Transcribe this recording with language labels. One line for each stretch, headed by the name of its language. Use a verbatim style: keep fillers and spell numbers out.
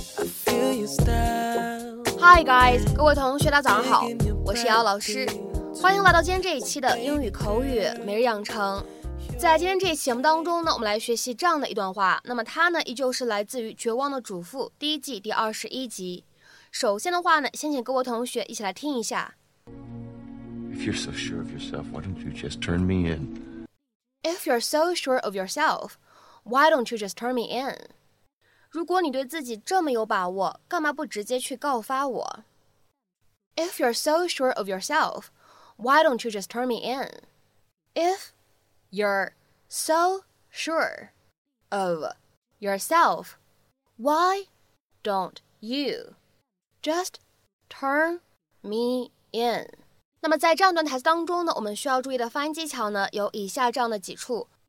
English: Hi guys，
Chinese: 各位同学大家早上好，我是瑶瑶老师，欢迎来到今天这一期的英语口语每日养成。在今天这一期节目当中呢，我们来学习这样的一段话，那么它呢依旧是来自于《绝望的主妇》第一季第二十一集。首先的话呢，先请各位同学一起来听一下。
English: If you're so sure of yourself, why don't you just turn me in? If you're so sure of yourself, why don't you just turn me in?
Chinese: 如果你对自己这么有把握，干嘛不直接去告发我
English: ？If you're so sure of yourself, why don't you just turn me in? If you're so sure of yourself, why don't you just turn me in?
Chinese: 那么在这样段台词当中呢，我们需要注意的发音技巧呢，有以下这样的几处。